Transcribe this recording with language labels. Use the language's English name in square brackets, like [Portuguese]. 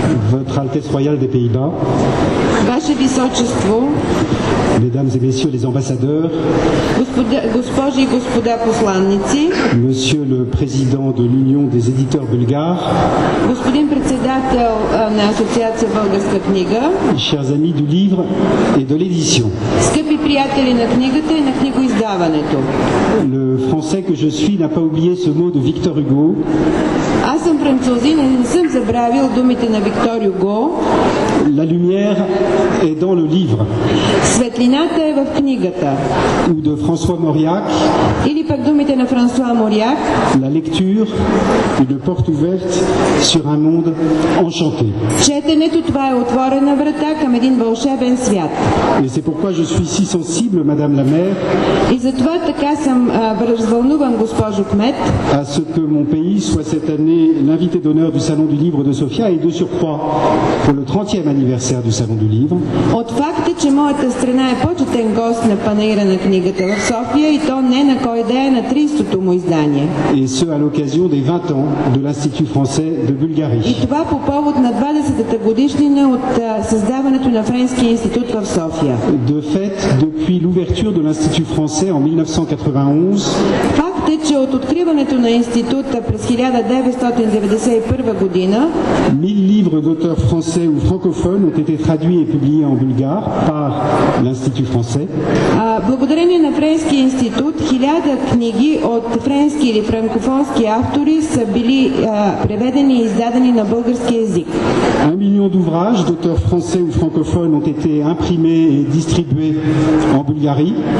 [French] Votre Altesse Royale des Pays-Bas, [Bulgarian] Ваше Височество, [French] Mesdames et Messieurs les ambassadeurs, [Bulgarian] Госпожи и господа посланници, [French] Monsieur le Président de l'Union des Éditeurs Bulgares, [Bulgarian] Господин председател на Асоциация Българска книга, [French] Chers amis du livre et de l'édition, [Bulgarian] Скъпи приятели на книгата и на книгоиздаването, [French] Le français que je suis n'a pas oublié ce mot de Victor Hugo, [Bulgarian] Аз съм французин и не съм забравил думите на Виктор Юго. [French] La lumière est dans le livre. [Bulgarian] Светлината е в книгата. [French] Ou de François Mauriac. [Bulgarian] Или пък думите на Франсуа Мориак. [French] La lecture est une porte ouverte sur un monde enchanté. [Bulgarian] Четенето, това е отворена врата към един вълшебен свят. [French] Et c'est pourquoi je suis si sensible, Madame la Maire. [Bulgarian] И затова така съм развълнуван, госпожо кмет. [French] À ce que mon pays soit cette année l'invité d'honneur du Salon du Livre de Sofia et de surcroît pour le 30e anniversaire du Salon du Livre. [Bulgarian] От факта, че моята страна е почетен гост на панаира на книгата в София и то не на кой да е на 30-то му издание. [French] Et ce à l'occasion des 20 ans de l'Institut français de Bulgarie. [Bulgarian] И това по повод на 20-та годишнина от създаването на Френския институт в София. [French] De fait, depuis l'ouverture de l'Institut français en 1991, [Bulgarian] че от откриването на института през 1991 година [French] 1000 livres d'auteurs français ou francophones ont été traduits et publiés en bulgare par l'Institut français. [Bulgarian] Благодарение на Френския институт 1000 книги от френски или франкофонски автори са били преведени и издадени на български език. [French] 1 million d'ouvrages d'auteurs français ou francophones ont été imprimés et distribués en Bulgarie.